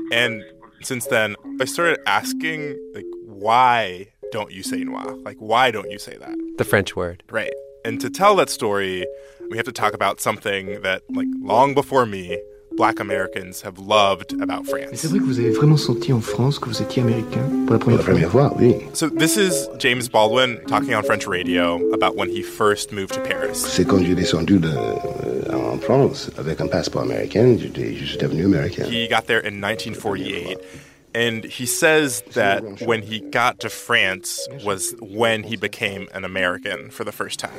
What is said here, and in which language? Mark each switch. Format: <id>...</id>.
<en>And since then, I started asking, like, why don't you say noir? Like, why don't you say that? The French word. Right. And to tell that story, we have to talk about something that, like, long before me, Black Americans have loved about France.</en> <fr>C'est vrai que vous avez vraiment senti en France que vous étiez américain pour la première fois, oui.</fr> <en>So this is James Baldwin talking on French radio about when he first moved to Paris.</en> <fr>C'est quand j'ai descendu en France avec un passeport américain, j'étais devenu américain.</fr> <en>He got there in 1948. And he says that when he got to France was when he became an American for the first time.</en>